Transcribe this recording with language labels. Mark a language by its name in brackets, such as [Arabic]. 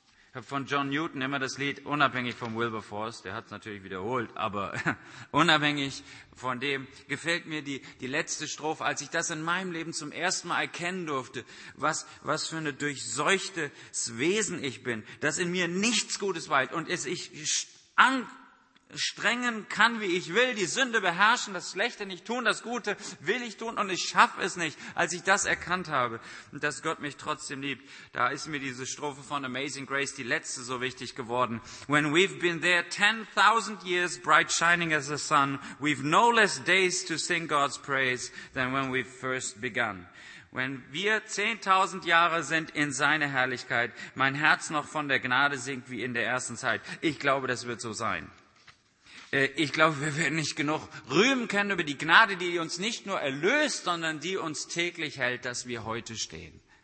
[German] Ich habe von John Newton immer das Lied, unabhängig von Wilberforce, der hat es natürlich wiederholt, aber unabhängig von dem, gefällt mir die letzte Strophe, als ich das in meinem Leben zum ersten Mal erkennen durfte, was für ein durchseuchtes Wesen ich bin, dass in mir nichts Gutes weilt und es ich anstrengen kann, wie ich will, die Sünde beherrschen, das Schlechte nicht tun, das Gute will ich tun und ich schaffe es nicht, als ich das erkannt habe, dass Gott mich trotzdem liebt. Da ist mir diese Strophe von Amazing Grace, die letzte, so wichtig geworden. [English] When we've been there 10,000 years, bright shining as the sun, we've no less days to sing God's praise than when we first begun. [German] Wenn wir 10,000 Jahre sind in seiner Herrlichkeit, mein Herz noch von der Gnade singt wie in der ersten Zeit. Ich glaube, das wird so sein. Ich glaube, wir werden nicht genug rühmen können über die Gnade, die uns nicht nur erlöst, sondern die uns täglich hält, dass wir heute stehen.